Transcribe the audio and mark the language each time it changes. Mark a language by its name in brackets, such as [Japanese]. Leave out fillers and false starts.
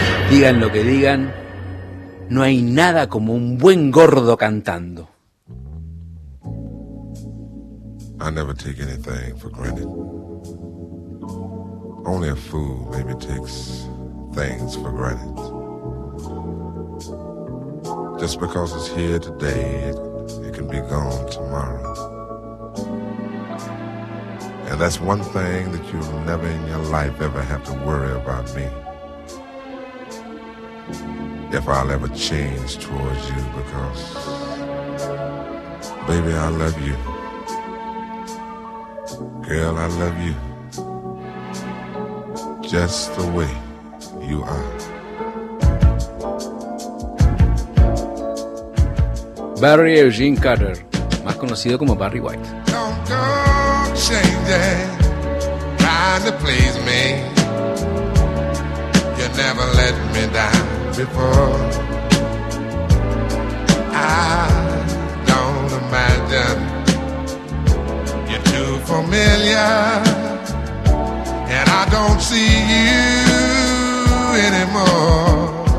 [Spanish] Digan lo que digan, no hay nada como un buen gordo cantando. [English] I never take anything for granted. Only a fool maybe takes things for granted. Just because it's here today, it can be gone tomorrow. And that's one thing that you'll never in your life ever have to worry about me. If I'll ever change towards you, because baby, I love you. Girl, I love you just the way you are. [Spanish] Barry Eugene Carter, más conocido como Barry White. [English] Don't go changing, trying to please me. You never let me down before. I don't imagine you're too familiar, and I don't see you anymore.